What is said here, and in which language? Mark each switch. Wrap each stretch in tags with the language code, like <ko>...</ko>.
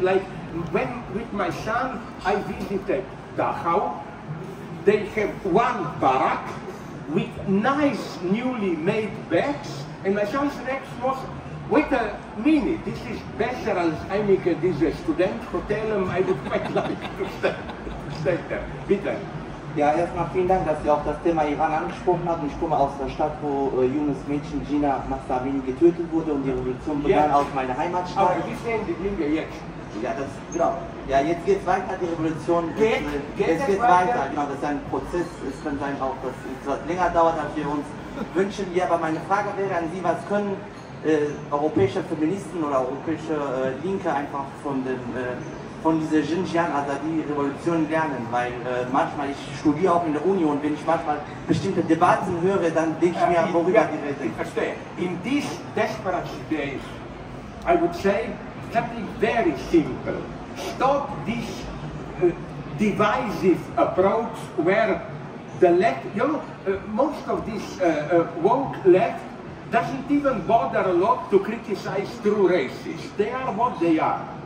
<en>Like when with my son I visited Dachau, they have one barrack with nice newly made beds. And my son's next was, wait a minute, this is better as I make this a student hotel, I would quite like to stay there.</en> <de>Bitte. Ja, erstmal vielen Dank, dass Sie auch das Thema Iran angesprochen haben. Ich komme aus der Stadt, wo junges Mädchen Gina Mahsamini getötet wurde und die Revolution begann aus meiner Heimatstadt. Aber wie sehen die Dinge jetzt? Ja, das, genau. Ja, jetzt geht es weiter, die Revolution. Geht es weiter? Genau, das ist ein Prozess. Es kann sein, auch, dass es etwas länger dauert, als wir uns wünschen. Ja, aber meine Frage wäre an Sie, was können europäische Feministen oder europäische Linke einfach von dem von dieser Xinjiang, also die Revolution lernen, weil manchmal, ich studiere auch in der Uni und wenn ich manchmal bestimmte Debatten höre, dann denke ich mir, worüber die reden. Ich verstehe.</de> <en>In these desperate days, I would say something very simple. Stop this divisive approach where the left, you know, most of this woke left doesn't even bother a lot to criticize true racists. They are what they are.</en>